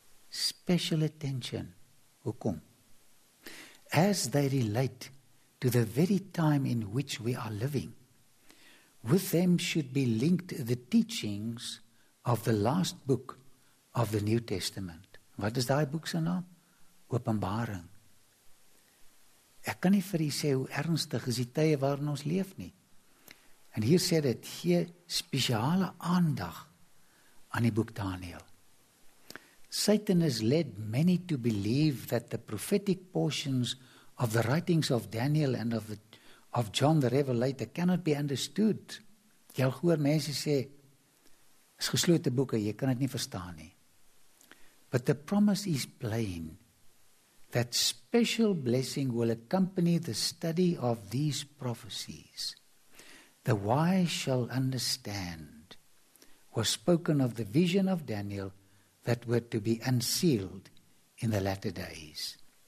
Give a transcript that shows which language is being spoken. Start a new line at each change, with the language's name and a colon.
English: Special attention.
Afrikaans: Hoekom?
English: As they relate to the very time in which we are living, with them should be linked the teachings of the last book of the New Testament.
Afrikaans: Wat is daai boek se naam? Openbaring. Ek kan nie vir u sê hoe ernstig is die tye waarin ons leef nie. En hier sê dit, gee spesiale aandag aan die boek Daniël.
English: Satan has led many to believe that the prophetic portions of the writings of Daniel and of John the Revelator cannot be understood.
Afrikaans: Jy hoor mense sê, is geslote boeke, jy kan het nie verstaan nie.
English: But the promise is plain, that special blessing will accompany the study of these prophecies. The wise shall understand, was spoken of the vision of Daniel that were to be unsealed in the latter days.